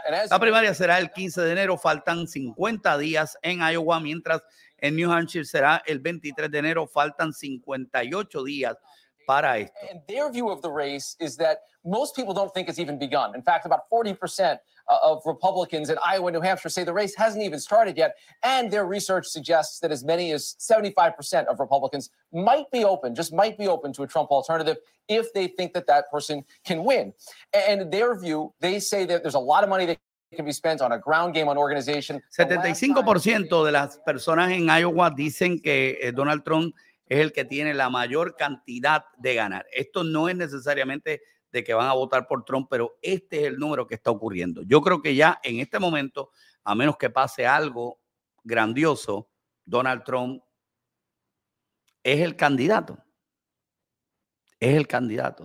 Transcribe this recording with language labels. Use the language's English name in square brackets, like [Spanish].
[Spanish] La primaria será el 15 de enero, faltan 50 días en Iowa, mientras en New Hampshire será el 23 de enero, faltan 58 días para esto. [English] And their view of the race is that most people don't think it's even begun. In fact, about 40% of Republicans in Iowa and New Hampshire say the race hasn't even started yet. And their research suggests that as many as 75% of Republicans might be open to a Trump alternative if they think that that person can win. And in their view, they say that there's a lot of money that can be spent on a ground game, on organization. [Spanish] 75% de las personas en Iowa dicen que Donald Trump es el que tiene la mayor cantidad de ganar. Esto no es necesariamente de que van a votar por Trump, pero este es el número que está ocurriendo. Yo creo que ya en este momento, a menos que pase algo grandioso, Donald Trump es el candidato. Es el candidato.